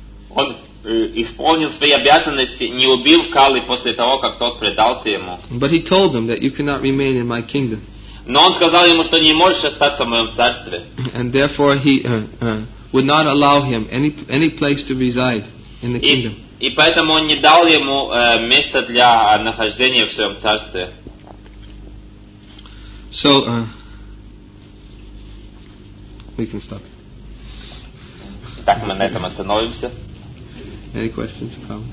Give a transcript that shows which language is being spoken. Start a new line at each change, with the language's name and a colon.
Russian: Он исполнил свои обязанности, не убил Кали после того, как тот предался ему.
English: But he told them that you cannot remain in my kingdom.
Russian: Но он сказал ему, что не можешь остаться в моем царстве.
English: And therefore he would not allow him any place to reside in the kingdom.
Russian: И поэтому он не дал ему места для нахождения в своем царстве.
English: So we can stop.
Russian: Так, мы на этом остановимся.
English: Any questions, problem?